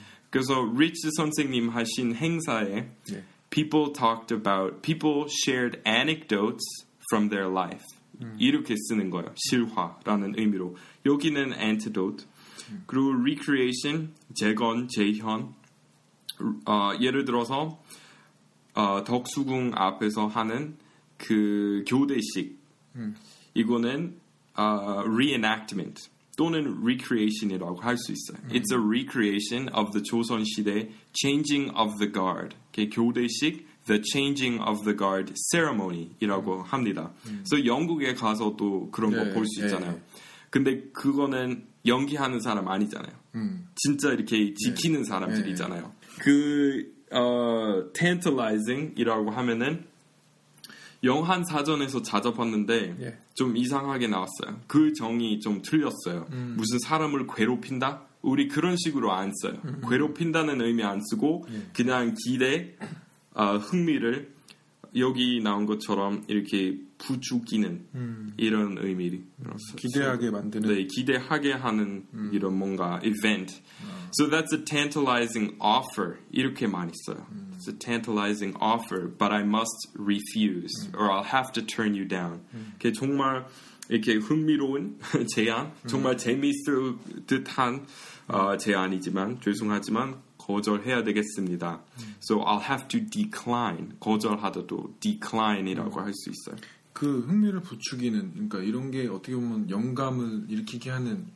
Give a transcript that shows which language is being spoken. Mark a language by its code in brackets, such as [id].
[ko] 그래서 리치 선생님 하신 행사에 예. [en] people talked about people shared anecdotes from their life [ko] 이렇게 쓰는 거예요. 실화라는 의미로 여기는 antidote 그리고 recreation 재건 재현 예를 들어서 덕수궁 앞에서 하는 그 교대식 이거는 reenactment 또는 recreation이라고 할 수 있어요. [en] It's a recreation of the 조선시대 changing of the guard. 교대식 the changing of the guard ceremony이라고 합니다. [ko] So 영국에 가서 또 그런 거 볼 수 있잖아요. 근데 그거는 연기하는 사람 아니잖아요. 진짜 이렇게 지키는 사람들이잖아요. 그 tantalizing이라고 하면은 영한 사전에서 찾아봤는데 좀 이상하게 나왔어요. 그 정의 좀 틀렸어요. 무슨 사람을 괴롭힌다? 우리 그런 식으로 안 써요. 괴롭힌다는 의미 안 쓰고 그냥 기대, 흥미를 여기 나온 것처럼 이렇게 부추기는 이런 의미로 기대하게 만드는 네, 기대하게 하는 이런 뭔가 event. [en] So that's a tantalizing offer. [ko] 이렇게 많이 써요. [en] It's a tantalizing offer, but I must refuse or I'll have to turn you down. [ko] 그게 정말 이렇게 흥미로운 제안, 정말 재미있을 듯한 제안이지만 죄송하지만 거절해야 되겠습니다. [en] So I'll have to decline. 거절하더라도 decline이라고 [ko] 할 수 있어요. 그 흥미를 부추기는 그러니까 이런 게 어떻게 보면 영감을 일으키게 하는